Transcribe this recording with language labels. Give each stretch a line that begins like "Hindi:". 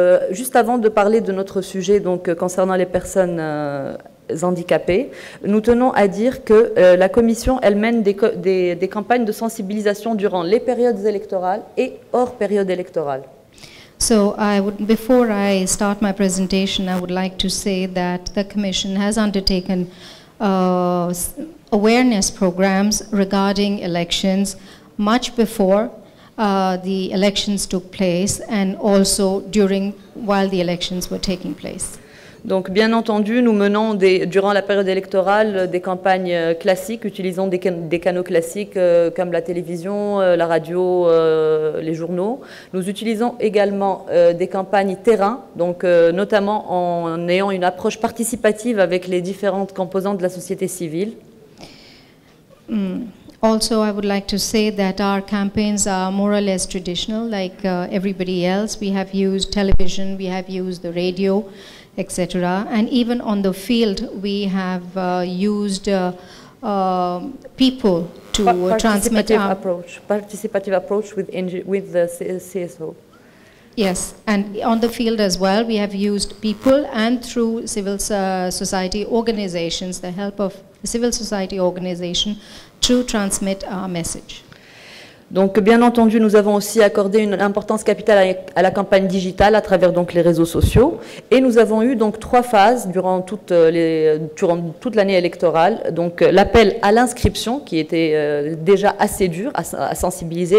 French: Juste avant de parler de notre sujet donc, concernant les personnes handicapées, nous tenons à dire que la Commission, elle mène des campagnes de sensibilisation durant les périodes électorales et hors période électorale.
English: So, before I start my presentation, I would like to say that the Commission has undertaken awareness programs regarding elections much before the elections took place and also during while the elections were taking place.
French: Donc bien entendu, nous menons durant la période électorale des campagnes classiques utilisant des canaux classiques comme la télévision, la radio, les journaux. Nous utilisons également des campagnes terrain, donc notamment en ayant une approche participative avec les différentes composantes de la société civile.
English: Also, I would like to say that our campaigns are more or less traditional, like everybody else. We have used television, we have used the radio, etc. And even on the field, we have used people to transmit our approach. Participative approach with the CSO. Yes, and on the field as well, we have used people and through civil society organizations, the help of civil society organization. To transmit our message.
French: Donc, bien entendu, nous avons aussi accordé une importance capitale à la campagne digitale à travers donc les réseaux sociaux, et nous avons eu donc trois phases durant toute l'année électorale. Donc, l'appel à l'inscription, qui était déjà assez dur à sensibiliser.